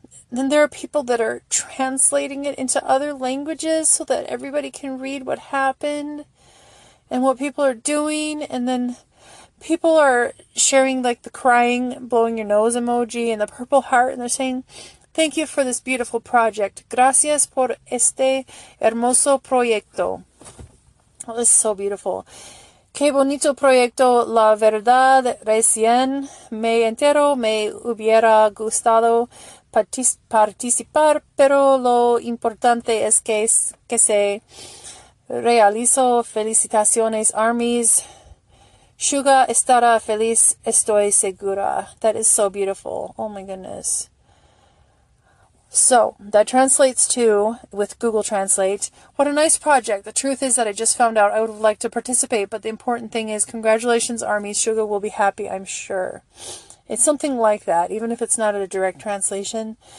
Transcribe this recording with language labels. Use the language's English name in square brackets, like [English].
[English] Then there are people that are translating it into other languages so that everybody can read what happened. and what people are doing, and then people are sharing like the crying, blowing your nose emoji and the purple heart, and they're saying, thank you for this beautiful project. [Spanish] Gracias por este hermoso proyecto. [English] Oh, this is so beautiful. [Spanish] Qué bonito proyecto, la verdad, recién me entero, me hubiera gustado participar, pero lo importante es que se realizó. Felicitaciones, Armies. Suga estará feliz, estoy segura. [English] That is so beautiful. Oh my goodness. So, that translates to, with Google Translate, what a nice project. The truth is that I just found out I would like to participate, but the important thing is, congratulations, Army. Suga will be happy, I'm sure. It's something like that, even if it's not a direct translation.